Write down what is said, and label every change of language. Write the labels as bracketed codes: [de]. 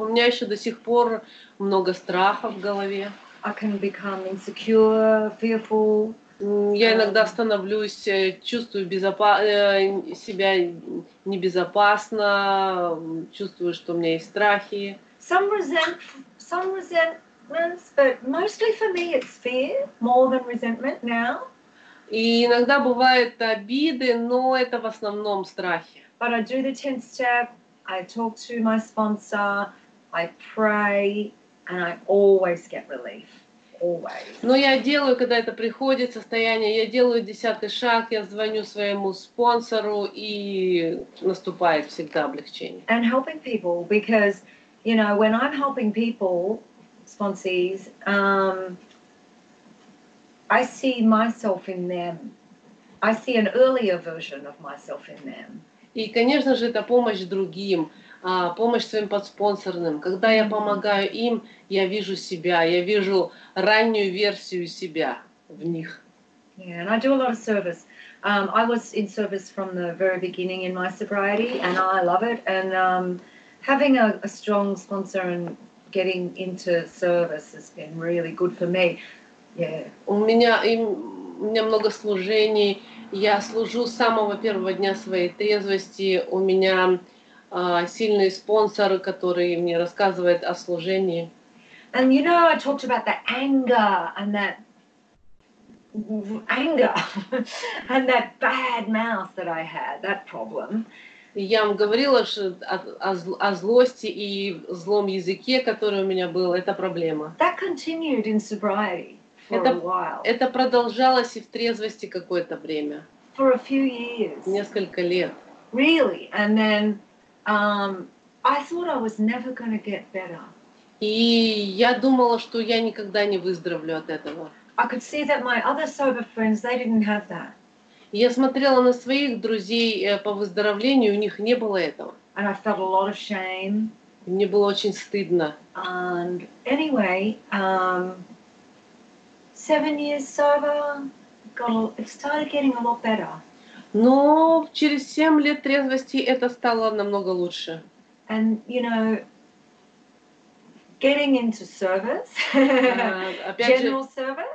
[ru] У меня еще до сих пор много страха в голове. [en] I can become insecure, fearful. [ru] Я иногда становлюсь, чувствую себя небезопасно, чувствую, что у меня есть страхи. [en] Some resentments, but mostly for me it's fear, more than resentment now. [ru] И иногда бывают обиды, но это в основном страхи. [en] But I do the 10th step, I talk to my sponsor, I pray, and I always get relief. [ru] Но я делаю, когда это приходит, состояние, я делаю десятый шаг, я звоню своему спонсору, и наступает всегда облегчение. [en] And helping people, because, you know, when I'm helping people, sponsees, I see myself in them. I see an earlier version of myself in them. [ru] И, конечно же, это помощь другим. Помощь своим подспонсорным. Когда я помогаю им, я вижу себя, я вижу раннюю версию себя в них. [en] Yeah, and I do a lot of service. I was in service from the very beginning in my sobriety, and I love it. And having a strong sponsor and getting into service has been really good for me. Yeah. [ru] У меня много служений. Я служу с самого первого дня своей трезвости. У меня сильный спонсор, который мне рассказывает о служении. [en] And you know, I talked about the anger and that anger and that bad mouth that I had, that problem. [ru] Я вам говорила о злости и злом языке, который у меня был. Это проблема. [en] That continued in sobriety for a while. [ru] Это продолжалось и в трезвости какое-то время. [en] For a few years. [ru] Несколько лет. [en] Really? And then I thought I was never going to get better. [ru] И я думала, что я никогда не выздоровлю от этого. [en] I could see that my other sober friends, they didn't have that. [ru] Я смотрела на своих друзей по выздоровлению, у них не было этого. [en] And I felt a lot of shame. [ru] Мне было очень стыдно. [en] And anyway, 7 years sober, it started getting a lot better. [ru] Но через 7 лет трезвости это стало намного лучше. [en] And, you know, getting into service, general service.